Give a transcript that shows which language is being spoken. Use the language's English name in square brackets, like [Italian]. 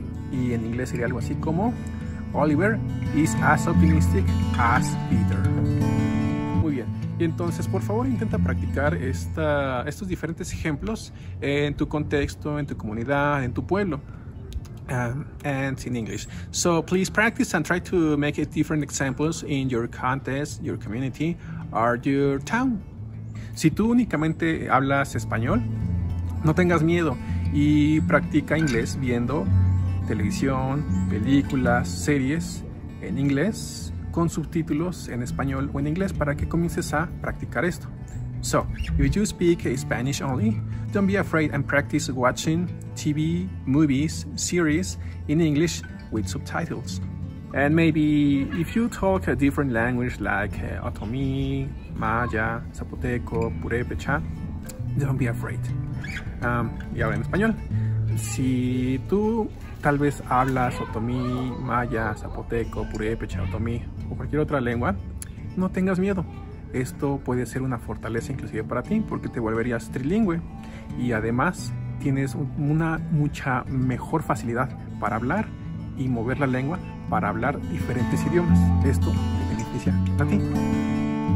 [Spanish] Y en inglés sería algo así como: [English] Oliver is as optimistic as Peter. [Spanish] Muy bien. Y entonces, por favor, intenta practicar estos diferentes ejemplos en tu contexto, en tu comunidad, en tu pueblo. [English] And in English. So please practice and try to make it different examples in your context, your community, or your town. [Spanish] Si tú únicamente hablas español, no tengas miedo y practica inglés viendo televisión, películas, series en inglés con subtítulos en español o en inglés para que comiences a practicar esto. [English] So, if you speak Spanish only, don't be afraid and practice watching TV, movies, series in English with subtitles. And maybe if you talk a different language like Otomi, Maya, Zapoteco, Purépecha, don't be afraid. [Spanish] Y ahora en español. Si tú tal vez hablas otomí, maya, zapoteco, purépecha, otomí o cualquier otra lengua, no tengas miedo. Esto puede ser una fortaleza inclusive para ti porque te volverías trilingüe y además tienes una mucha mejor facilidad para hablar y mover la lengua para hablar diferentes idiomas. Esto te beneficia a ti.